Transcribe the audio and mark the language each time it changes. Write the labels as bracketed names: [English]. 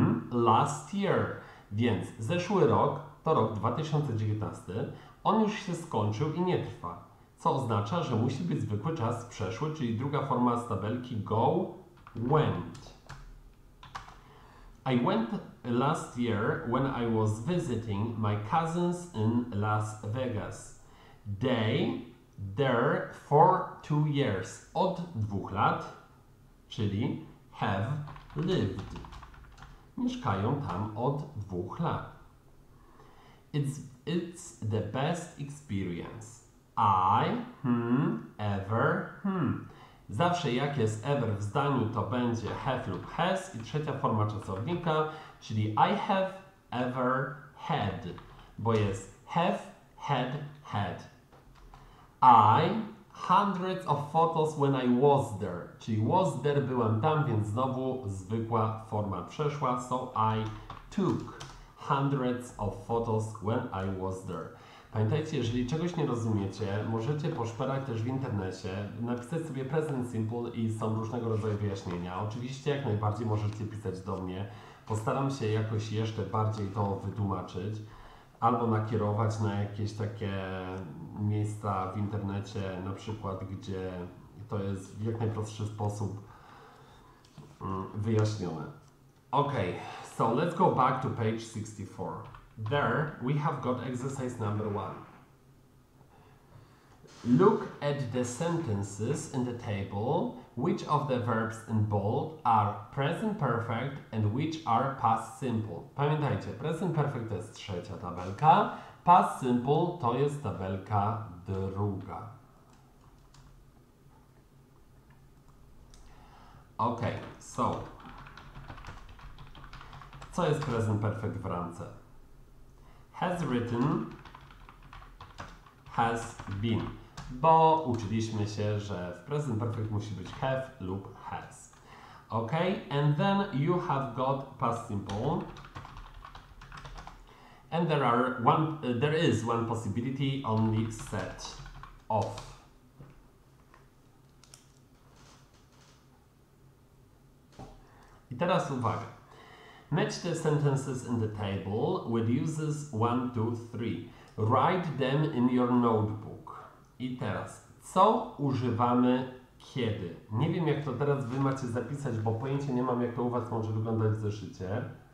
[English] Last year. [Polish] Więc zeszły rok to rok 2019. On już się skończył i nie trwa. Co oznacza, że musi być zwykły czas przeszły, czyli druga forma z tabelki go, went. [English] I went last year when I was visiting my cousins in Las Vegas. They there for 2 years. [Polish] Od 2 lat, czyli have lived. Mieszkają tam od 2 lat. [English] It's the best experience I ever. [Polish] Zawsze jak jest ever w zdaniu, to będzie have lub has i trzecia forma czasownika, czyli [English] I have ever had, [Polish] bo jest have, had, had. [English] I hundreds of photos when I was there, [Polish] czyli was there, byłem tam, więc znowu zwykła forma przeszła, [English] so I took hundreds of photos when I was there. [Polish] Pamiętajcie, jeżeli czegoś nie rozumiecie, możecie poszperać też w internecie, napisać sobie present simple i są różnego rodzaju wyjaśnienia. Oczywiście jak najbardziej możecie pisać do mnie, postaram się jakoś jeszcze bardziej to wytłumaczyć. Albo nakierować na jakieś takie miejsca w internecie, na przykład, gdzie to jest w jak najprostszy sposób wyjaśnione. [English] Ok, so let's go back to page 64. There we have got exercise number 1. Look at the sentences in the table. Which of the verbs in bold are present perfect and which are past simple? [Polish] Pamiętajcie, present perfect to jest trzecia tabelka, past simple to jest tabelka druga. [English] Ok, so. [Polish] Co jest present perfect w ramce? Has written, has been. Bo uczyliśmy się, że w present perfect musi być have lub has. [English] Ok, and then you have got past simple. And there is one possibility, only set of. [Polish] I teraz uwaga. [English] Match the sentences in the table with uses 1, 2, 3. Write them in your notebook. [Polish] I teraz, co używamy kiedy? Nie wiem, jak to teraz wy macie zapisać, bo pojęcia nie mam, jak to u was może wyglądać w zeszycie.